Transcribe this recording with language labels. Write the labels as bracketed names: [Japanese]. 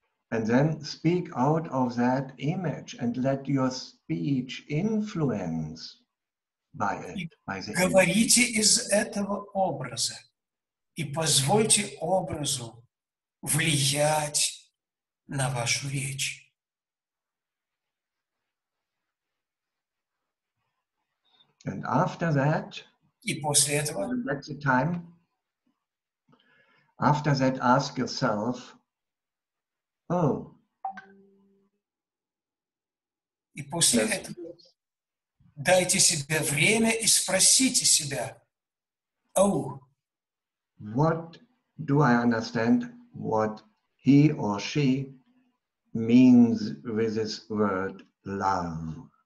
[English] And then speak out of that image and let your speech influence by it, by the image. [Russian] Говорите из этого образа и позвольте образу влиять на вашу речь. [English] And after that, [Russian] и после этого, [English] that's the time, after that, ask yourself, oh. [Russian] И после этого дайте себе время и спросите себя, oh. [English] What do I understand what he or she means with this word love?